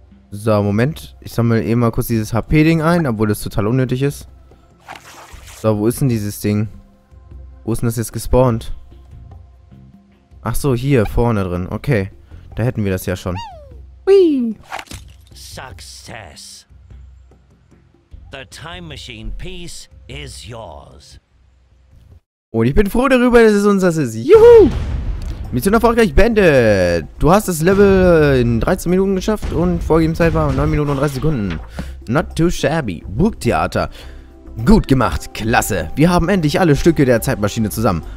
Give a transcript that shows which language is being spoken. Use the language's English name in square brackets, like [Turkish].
[German] So, Moment. Ich sammle eh mal kurz dieses HP-Ding ein, obwohl das total unnötig ist. So, wo ist denn dieses Ding? Wo ist denn das jetzt gespawnt? Achso, hier vorne drin. Okay. Da hätten wir das ja schon. [English] Whee! Success. The time machine piece is yours. [German] Und ich bin froh darüber, dass es unseres ist. Juhu! Mission erfolgreich beendet. Du hast das Level in 13 Minuten geschafft und vorgegeben Zeit war 9 Minuten und 30 Sekunden. [English] Not too shabby. [German] Burgtheater. Gut gemacht, klasse. Wir haben endlich alle Stücke der Zeitmaschine zusammen.